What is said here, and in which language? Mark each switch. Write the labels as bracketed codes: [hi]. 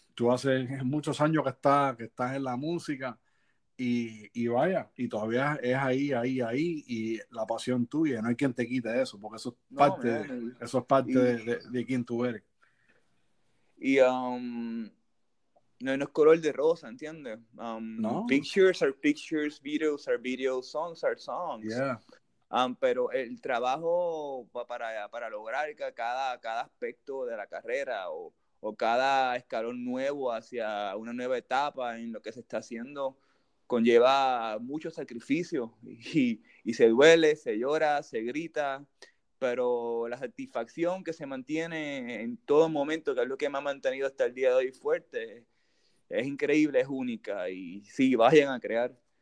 [es] Tú hace muchos años que estás en la música y vaya, y todavía es ahí, y la pasión tuya, no hay quien te quite eso, porque eso es parte de quien tú eres. Y no es color de rosa, ¿entiendes? No. [en] Pictures are pictures, videos are videos, songs are songs. Yeah. [es] Pero el trabajo para lograr que cada aspecto de la carrera o cada escalón nuevo hacia una nueva etapa en lo que se está haciendo conlleva mucho sacrificio y se duele, se llora, se grita, pero la satisfacción que se mantiene en todo momento, que es lo que me ha mantenido hasta el día de hoy fuerte, es increíble, es única y sí, vayan a crear.